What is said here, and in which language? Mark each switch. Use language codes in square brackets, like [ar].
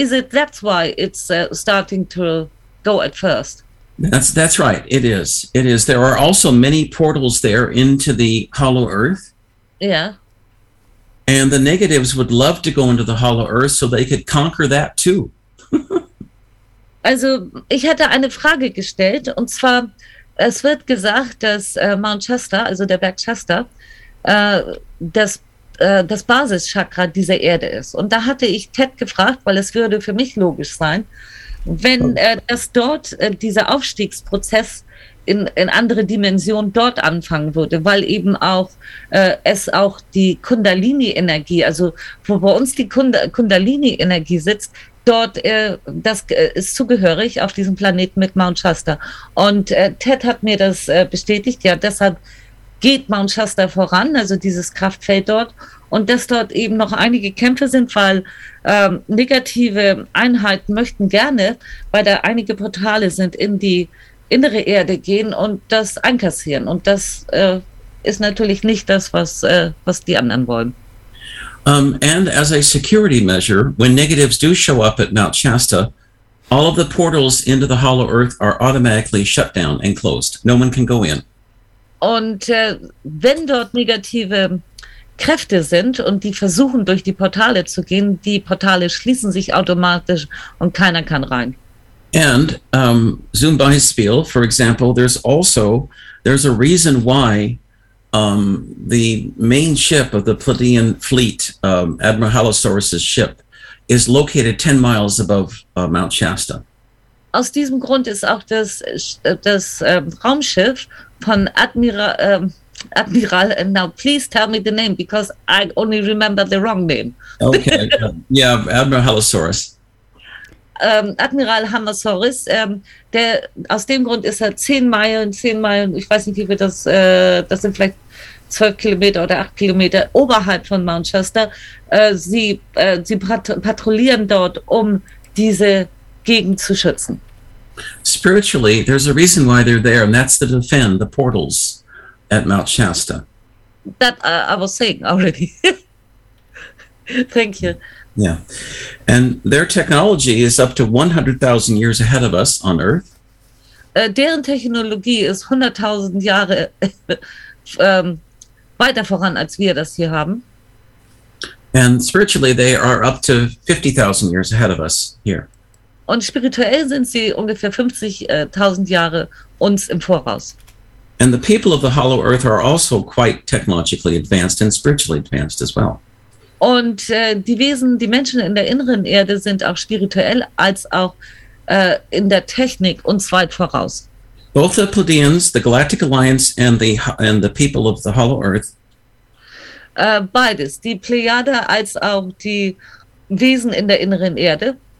[en] That's why it's starting to go at first? That's right. It is. It is. There are also many portals there into the hollow earth. Yeah. And the negatives would love to go into the hollow earth so they could conquer that too. [de] Also, ich hatte eine Frage gestellt, und zwar, es wird gesagt, dass Mount Shasta, also der Berg Shasta, das Basischakra dieser Erde ist. Und da hatte ich Ted gefragt, weil es würde für mich logisch sein, wenn dass dort dieser Aufstiegsprozess in andere Dimension dort anfangen würde, weil eben auch es auch die Kundalini-Energie, also wo bei uns die Kundalini-Energie sitzt, dort das ist zugehörig auf diesem Planeten mit Mount Shasta. Und Ted hat mir das bestätigt, ja, deshalb geht Mount Shasta voran, also dieses Kraftfeld dort, und dass dort eben noch einige Kämpfe sind, weil negative Einheiten möchten gerne, weil da einige Portale sind in die innere Erde gehen und das einkassieren. Und das ist natürlich nicht das, was die anderen wollen. [en] And as a security measure, when negatives do show up at Mount Shasta, all of the portals into the hollow earth are automatically shut down and closed. No one can go in. [de] Und wenn dort negative Kräfte sind und die versuchen, durch die Portale zu gehen, die Portale schließen sich automatisch und keiner kann rein. [en] And [de] Zum Beispiel, [en] for example, there's a reason why the main ship of the Pleiadian fleet, Admiral Halosaurus's ship, is located 10 miles above Mount Shasta. [de] Aus diesem Grund ist auch das Raumschiff von Admiral, [en] and now please tell me the name, because I only remember the wrong name. Okay, yeah, Admiral Halosaurus. [de] Admiral Halosaurus, der aus dem Grund ist er 10 Meilen, ich weiß nicht, wie wir das sind vielleicht 12 Kilometer oder 8 Kilometer oberhalb von Manchester. Sie patrouillieren dort, um diese Gegend zu schützen. [en] Spiritually, there's a reason why they're there, and that's to defend the portals at Mount Shasta. That I was saying already. Thank you. Yeah. And their technology is up to 100,000 years ahead of us on Earth. [de] Deren Technologie ist 100.000 Jahre weiter voran, als wir das hier haben. [en] And spiritually, they are up to 50,000 years ahead of us here. [de] Und spirituell sind sie ungefähr 50.000 Jahre uns im Voraus. [en] And the people of the Hollow Earth are also quite technologically advanced and spiritually advanced as well. [de] Und die Wesen, die Menschen in der inneren Erde sind auch spirituell als auch in der Technik uns weit voraus. [en] Both the Pleiadians, the Galactic Alliance and the people of the Hollow Earth. [de] Beides, die Plejade als auch die Wesen in der inneren Erde.